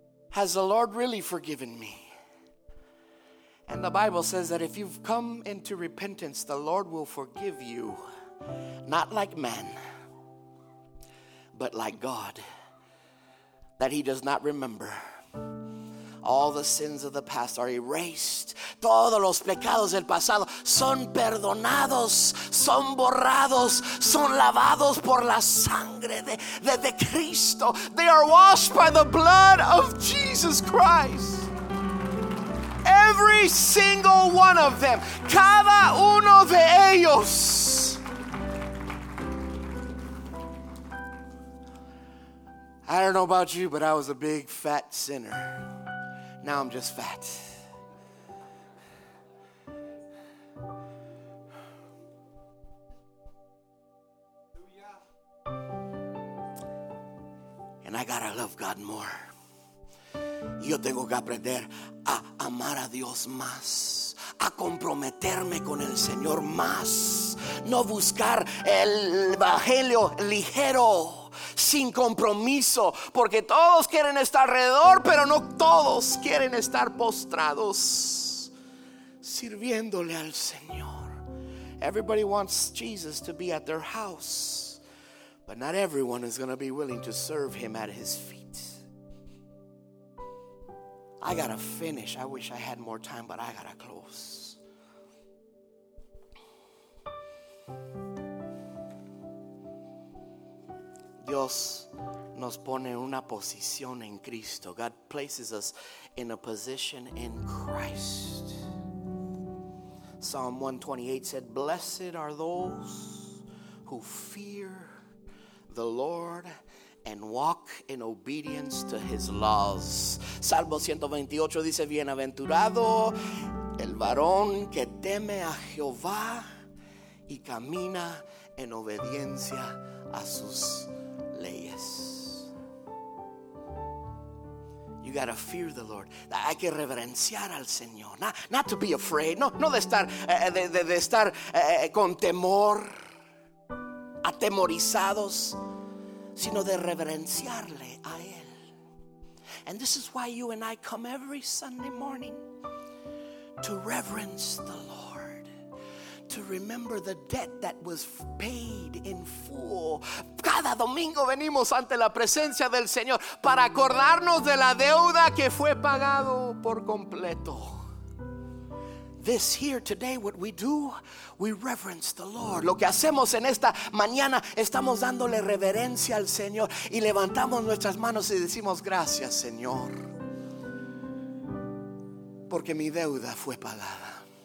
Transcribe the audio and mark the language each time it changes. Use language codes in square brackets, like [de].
[en] Has the Lord really forgiven me? And the Bible says that if you've come into repentance, the Lord will forgive you, not like man, but like God. That He does not remember. All the sins of the past are erased. [es] Todos los pecados del pasado son perdonados, son borrados, son lavados por la sangre de Cristo. [en] They are washed by the blood of Jesus Christ. Every single one of them, [es] cada uno de ellos. [en] I don't know about you, but I was a big fat sinner. Now I'm just fat. And I gotta love God more. [es] Yo tengo que aprender a amar a Dios más, a comprometerme con el Señor más. no buscar el evangelio ligero, sin compromiso, porque todos quieren estar alrededor, pero no todos quieren estar postrados sirviéndole al Señor. [en] Everybody wants Jesus to be at their house, but not everyone is going to be willing to serve him at his feet. I gotta finish. I wish I had more time, but I gotta close. [es] Dios nos pone una posición en Cristo. [en] God places us in a position in Christ. Psalm 128 said, "Blessed are those who fear the Lord and walk in obedience to his laws." [es] Salmo 128 dice, "Bienaventurado el varón que teme a Jehová y camina en obediencia a sus leyes." [en] You gotta fear the Lord. [es] Hay que reverenciar al Señor. [en] Not to be afraid. [es] No de estar con temor. Atemorizados. Sino de reverenciarle a Él. [en] And this is why you and I come every Sunday morning. To reverence the Lord. To remember the debt that was paid in full. [es] Cada domingo venimos ante la presencia del Señor para acordarnos de la deuda que fue pagado por completo. [en] This here today, what we do, we reverence the Lord. [es] Lo que hacemos en esta mañana, estamos dándole reverencia al Señor y levantamos nuestras manos y decimos gracias, Señor, porque mi deuda fue pagada.